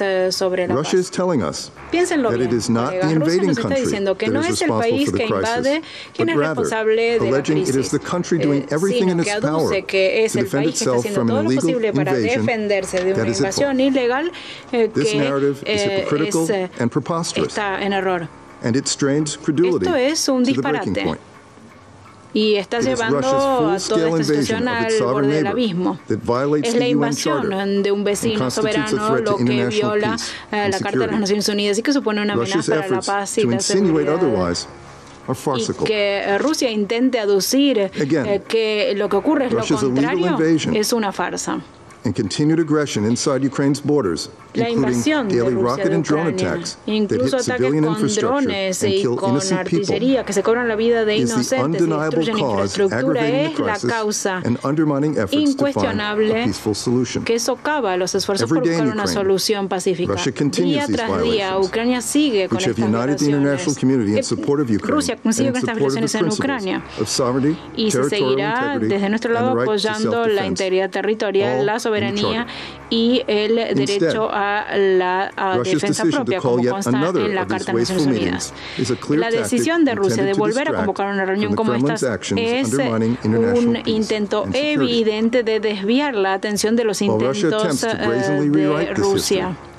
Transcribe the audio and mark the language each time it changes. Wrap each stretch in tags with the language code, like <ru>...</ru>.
<en>Russia is telling us that it is not the invading country that is responsible for the crisis, but rather alleging it is the country doing everything in its power to defend itself from an illegal invasion that is at fault. This narrative is hypocritical and preposterous, and it strains credulity to the breaking point.</en> <es>Y está llevando a toda esta situación al borde del abismo. Es la invasión de un vecino soberano lo que viola la Carta de las Naciones Unidas y que supone una amenaza para la paz y la seguridad. Y que Rusia intente aducir que lo que ocurre es lo contrario es una farsa.</es> <en>And continued aggression inside Ukraine's borders, including daily rocket and drone attacks that hit civilian infrastructure and kill innocent people, is the undeniable cause aggravating the crisis and undermining efforts to find a peaceful solution. Every day in Ukraine, Russia continues these violations, which have united the international community in support of Ukraine and in support of the principles of sovereignty, territorial integrity, and the right to self-defense.</en> <es>Soberanía y el derecho a la defensa propia, como consta en la Carta de las Naciones Unidas. La decisión de Rusia de volver a convocar una reunión como esta es un intento evidente de desviar la atención de los intentos de Rusia.</es>